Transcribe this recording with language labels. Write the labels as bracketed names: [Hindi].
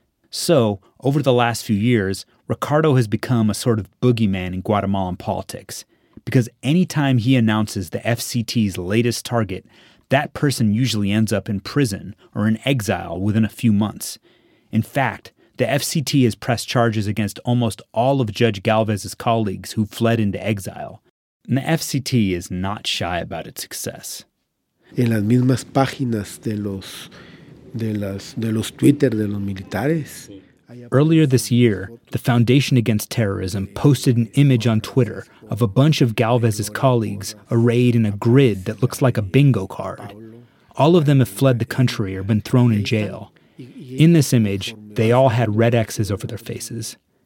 [English] So, over the last few years, Ricardo has become a sort of boogeyman in Guatemalan politics, because anytime he announces the FCT's latest target, that person usually ends up in prison or in exile within a few months. In fact, the FCT has pressed charges against almost all of Judge Galvez's colleagues who fled into exile. And the FCT is not shy about its success. [Spanish] En las mismas páginas de los Twitter de los militares. [English] Earlier this year, the Foundation Against Terrorism posted an image on Twitter of a bunch of Galvez's colleagues arrayed in a grid that looks like a bingo card. All of them have fled the country or been thrown in jail. In this image, they all had red X's over their faces.